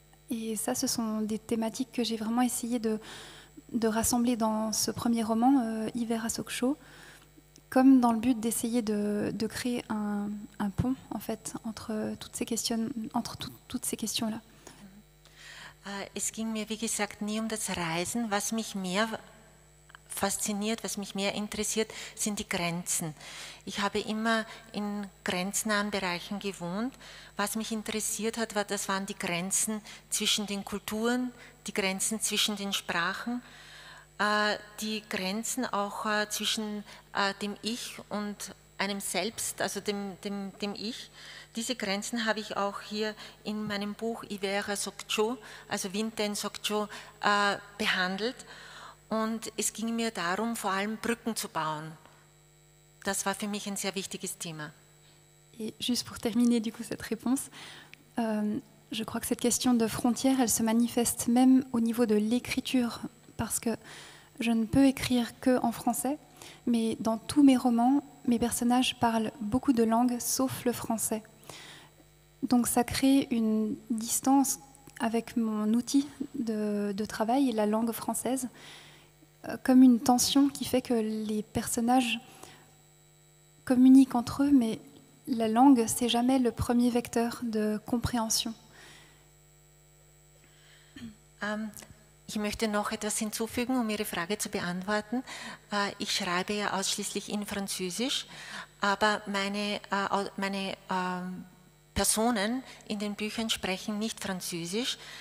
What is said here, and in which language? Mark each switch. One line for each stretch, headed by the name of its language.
French: Et ça, ce sont des thématiques que j'ai vraiment essayé de rassembler dans ce premier roman, Hiver à Sokcho, comme dans le but d'essayer de créer un pont, en fait, entre toutes ces questions-là.
German: Es ging mir, wie gesagt, nie um das Reisen. Was mich mehr fasziniert, was mich mehr interessiert, sind die Grenzen. Ich habe immer in grenznahen Bereichen gewohnt. Was mich interessiert hat, das waren die Grenzen zwischen den Kulturen, die Grenzen zwischen den Sprachen, die Grenzen auch zwischen dem Ich und einem Selbst, also dem Ich. Diese Grenzen habe ich auch hier in meinem Buch Hiver à Sokcho, also Winter in Sokcho, behandelt. Und es ging mir darum, vor allem Brücken zu bauen. Das war für mich ein sehr wichtiges Thema.
French: Et juste pour terminer du coup cette réponse, je crois que cette question de frontière, elle se manifeste même au niveau de l'écriture, parce que je ne peux écrire qu'en français, mais dans tous mes romans, mes personnages parlent beaucoup de langues, sauf le français. Donc ça crée une distance avec mon outil de travail, la langue française, comme une tension qui fait que les personnages communiquent entre eux, mais la langue, c'est jamais le premier vecteur de compréhension.
German: Ich möchte noch etwas hinzufügen, um Ihre Frage zu beantworten. Ich schreibe ja ausschließlich in Französisch, aber meine Personen in den Büchern sprechen nicht Französisch.